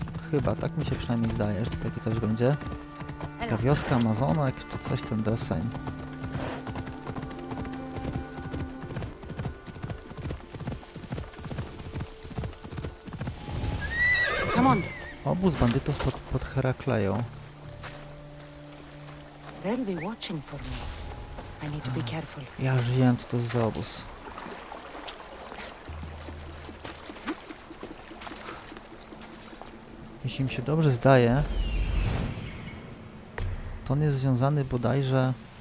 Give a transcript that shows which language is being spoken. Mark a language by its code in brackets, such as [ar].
[pl] Chyba, tak mi się przynajmniej zdaje, że to takie coś będzie. Ta wioska Amazonek, czy coś ten deseń. [en] Come on. [pl] Obóz bandytów pod Herakleją. [en] They'll be watching for me. I need to be careful. [pl] Ja już wiem, co to jest za obóz. Jeśli mi się dobrze zdaje, to on jest związany bodajże...